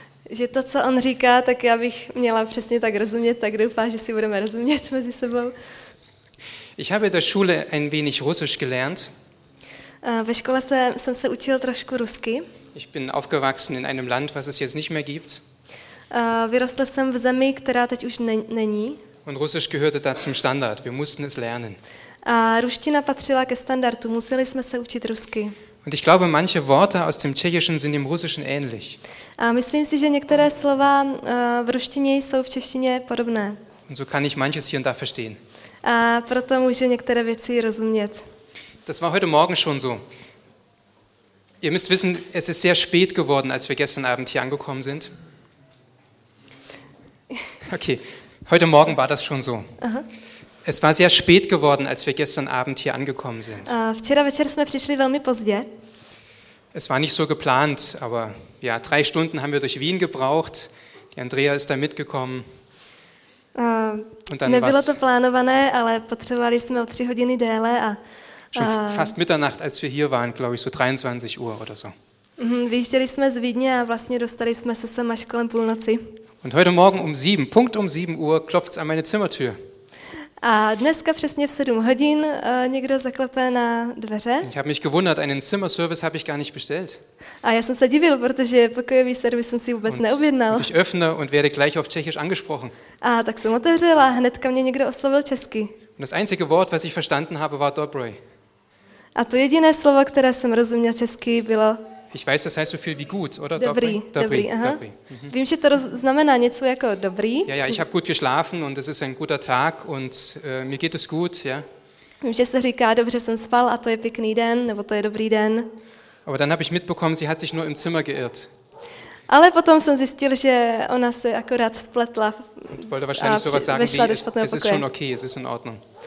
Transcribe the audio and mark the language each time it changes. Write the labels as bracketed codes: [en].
[cs] Že to, co on říká, tak já bych měla přesně tak rozumět, tak doufám, že si budeme rozumět mezi sebou. [de] Ich habe in der Schule ein wenig Russisch gelernt. [cs] Ve škole jsem se učil trošku rusky. [de] Ich bin aufgewachsen in einem Land, was es jetzt nicht mehr gibt. [cs] Vyrostl jsem v zemi, která teď už není. [de] Und Russisch gehörte da zum Standard. Wir mussten es lernen. [cs] A ruština patřila ke standardu. Museli jsme se učit rusky. [de] Und ich glaube, manche Worte aus dem Tschechischen sind dem Russischen ähnlich. [cs] A myslím si, že některé slova v ruštině jsou v češtině podobné. [de] Und so kann ich manches hier und da verstehen. [cs] A proto můžu některé věci rozumět. [de] Das war heute Morgen schon so. Ihr müsst wissen, es ist sehr spät geworden, als wir gestern Abend hier angekommen sind. Okay, heute Morgen war das schon so. Aha. Es war sehr spät geworden, als wir gestern Abend hier angekommen sind. [cs] Včera večer jsme přišli velmi pozdě. [de] Es war nicht so geplant, aber ja, 3 Stunden haben wir durch Wien gebraucht. Die Andrea ist da mitgekommen. Und dann [cs] nebylo was? To plánované, ale potřebovali jsme o 3 hodiny déle a... [de] Schon fast Mitternacht, als wir hier waren, glaube ich, so 23 Uhr oder so. [cs] Vyjížděli jsme z Vídně a vlastně dostali jsme se sem až kolem půlnoci. [de] Und heute Morgen um 7, punkt um 7 Uhr, klopft's an meine Zimmertür. [cs] A dneska přesně v 7 hodin někdo zaklepe na dveře. [de] Ich habe mich gewundert, einen Zimmerservice habe ich gar nicht bestellt. [cs] A já jsem se divil, protože pokojový servis jsem si vůbec neobjednal. [de] Und ich öffne und werde gleich auf Tschechisch angesprochen. [cs] A tak jsem otevřela, hnedka mě někdo oslovil česky. [de] Und das einzige Wort, was ich verstanden habe, war Dobrý. [cs] A to jediné slovo, které jsem rozuměl česky, bylo... [de] Ich weiß, das heißt so viel wie gut, oder? [cs] Dobrý, aha. Dobrý. Vím, že to znamená něco jako dobrý. [de] Ja, ich habe gut geschlafen und es ist ein guter Tag und mir geht es gut, ja. [cs] Vím, že se říká, dobře jsem spal a to je pěkný den, nebo to je dobrý den. [de] Aber dann habe ich mitbekommen, sie hat sich nur im Zimmer geirrt. [cs] Ale potom jsem zjistil, že ona se akorát spletla. [de] Und wollte wahrscheinlich sowas sagen wie, es ist schon okay, es ist in Ordnung.